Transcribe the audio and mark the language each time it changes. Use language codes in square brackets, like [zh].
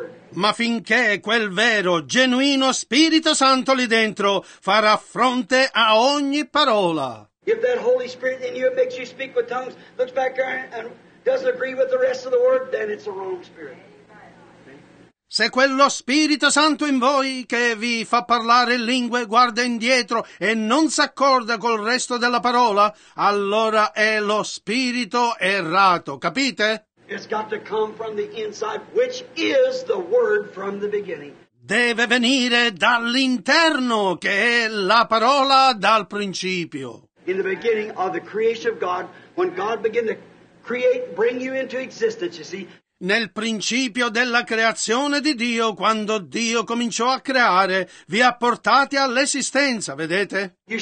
[it] Ma finché quel vero, genuino Spirito Santo lì dentro farà fronte a ogni parola. [en] If that Holy Spirit in you makes you speak with tongues, looks back there and doesn't agree with the rest of the word, then it's the wrong spirit. [it] Se quello Spirito Santo in voi che vi fa parlare in lingue guarda indietro e non s'accorda col resto della parola, allora è lo spirito errato, capite? [en] It's got to come from the inside, which is the word from the beginning. [it] Deve venire dall'interno, che è la parola dal principio. [en] In the beginning of the creation of God, when God began to create, bring you into existence, you see. [it] Nel principio della creazione di Dio, quando Dio cominciò a creare, vi ha portati all'esistenza, vedete?